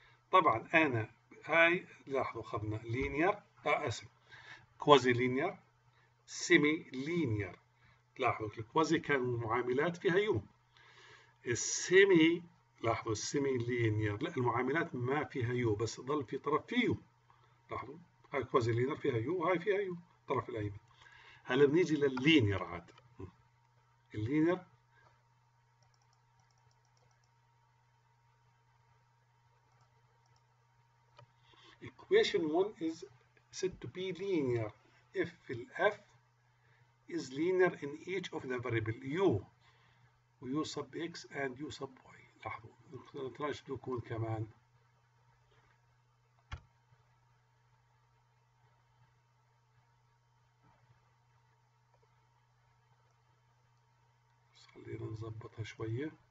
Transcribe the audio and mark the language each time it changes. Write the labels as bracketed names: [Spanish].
[Arabic] طبعا انا هاي لاحظوا اخذنا لينير اسف كوازي لينير سيمي لينير، لاحظوا الكوازي كان المعاملات فيها يو، السيمي لاحظوا السيمي لينير لا المعاملات ما فيها يو بس ظل في طرف فيه يو، لاحظوا هاي كوازي لينير فيها يو وهاي فيها يو الطرف الايمن. [English] هلا بنيجي لللينير عاد، اللينير equation 1 is said to be linear if f is linear in each of the variable u و u sub x and u sub y. [Arabic] لاحظوا نتراجع تكون كمان خلينا نظبطها شوية.